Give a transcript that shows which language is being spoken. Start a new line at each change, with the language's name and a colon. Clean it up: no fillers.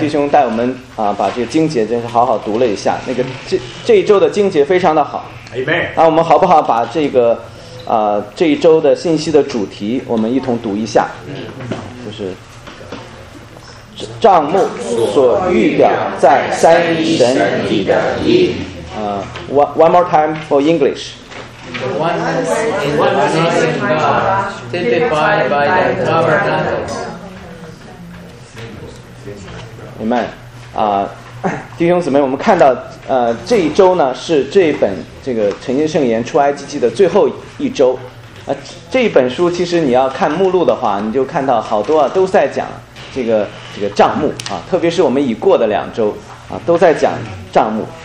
Chinese: 弟兄带我们啊，把这个经节真是好好读了一下。那个这一周的经节非常的好。
English: Amen.
Chinese: 那我们好不好把这个这一周的信息的主题我们一同读一下？就是帐幕所预表在三一神里的义。
English: One more time for English. The oneness in one person God, typified by the tabernacle. Amen.
Chinese: 弟兄姊妹，我们看到这一周呢是这一本这个《晨星圣言出埃及记》的最后一周。这一本书其实你要看目录的话，你就看到好多啊都在讲这个帐幕啊，特别是我们已过的两周啊都在讲帐幕。